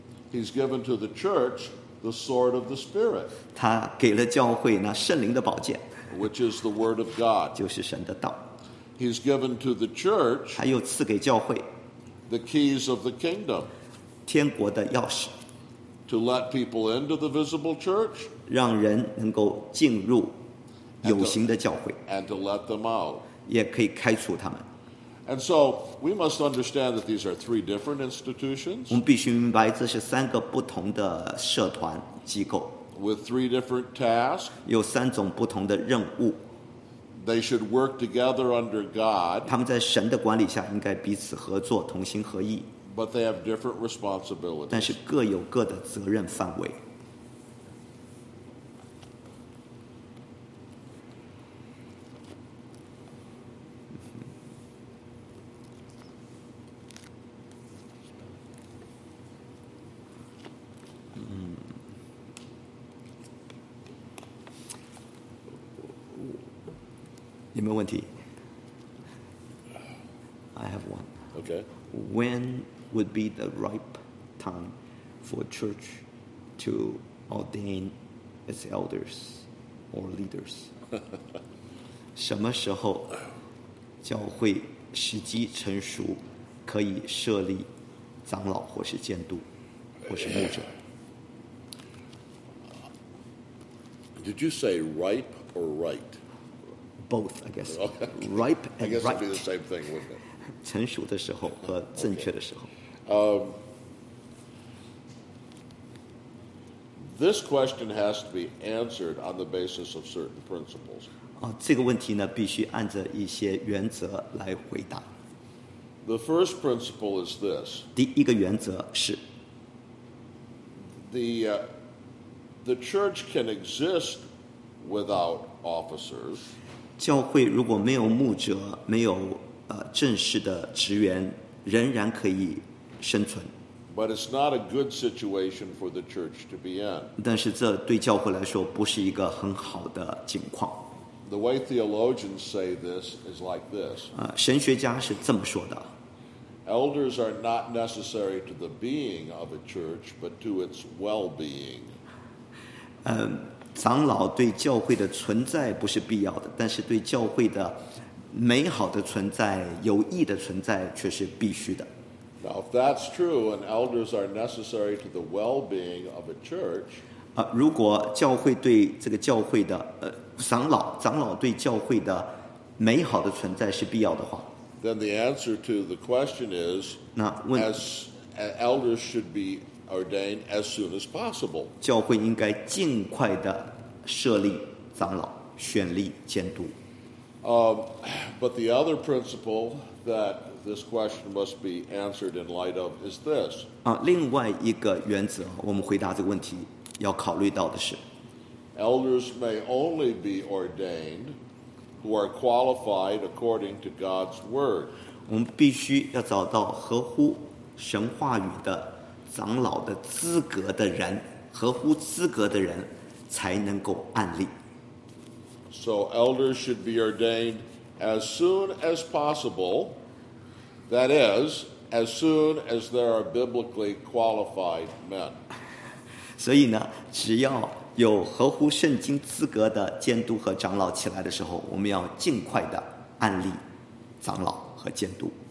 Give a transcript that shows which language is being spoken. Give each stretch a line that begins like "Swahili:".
English: He's given to the church the sword of the Spirit.
Chinese: 他给了教会那圣灵的宝剑。
English: Which is the word of God.
Chinese: 就是神的道。
English: He's given to the church
Chinese: 还有赐给教会,
English: the keys of the kingdom
Chinese: 天国的钥匙,
English: to let people into the visible church
Chinese: 让人能够进入有形的教会,
English: and to let them out
Chinese: 也可以开除他们。
English: And so we must understand that these are three different institutions
Chinese: 我们必须明白这是三个不同的社团机构,
English: with three different tasks
Chinese: 有三种不同的任务。
English: They should work together under God.
Chinese: 他们在神的管理下应该彼此合作，同心合意。
English: But they have different responsibilities.
Chinese: 但是各有各的责任范围。你没问题。
English: I have one. Okay. When would be the ripe time for church to ordain its elders or leaders?
Chinese: 什么时候教会时机成熟可以设立长老或是监督或是牧者？
English: Did you say ripe or right? Both, I guess. Ripe and right. I guess it'd be the same thing, wouldn't it?
Chinese: 成熟的时候和正确的时候。
English: This question has to be answered on the basis of certain principles.
Chinese: 这个问题呢，必须按着一些原则来回答。
English: The first principle is this.
Chinese: 第一个原则是。
English: The church can exist without officers.
Chinese: 教会如果没有牧者，没有正式的职员仍然可以生存。
English: But it's not a good situation for the church to be in.
Chinese: 但是这对教会来说不是一个很好的境况。
English: The way theologians say this is like this.
Chinese: 神学家是这么说的。
English: Elders are not necessary to the being of a church, but to its well-being.
Chinese: 长老对教会的存在不是必要的，但是对教会的美好的存在、有益的存在却是必须的。
English: Now, if that's true, and elders are necessary to the well-being of a church,
Chinese: 如果教会对这个教会的长老对教会的美好的存在是必要的话
English: ，then the answer to the question is,
Chinese: 那问
English: as elders should be ordained as soon as possible.
Chinese: 教会应该尽快的设立长老、选立监督。
English: But the other principle that this question must be answered in light of is this.
Chinese: 另外一个原则，我们回答这个问题要考虑到的是
English: ，Elders may only be ordained who are qualified according to God's word.
Chinese: 我们必须要找到合乎神话语的长老的资格的人，合乎资格的人才能够按立。
English: So elders should be ordained as soon as possible. That is, as soon as there are biblically qualified men.
Chinese: 所以呢，只要有合乎圣经资格的监督和长老起来的时候，我们要尽快的按立长老和监督。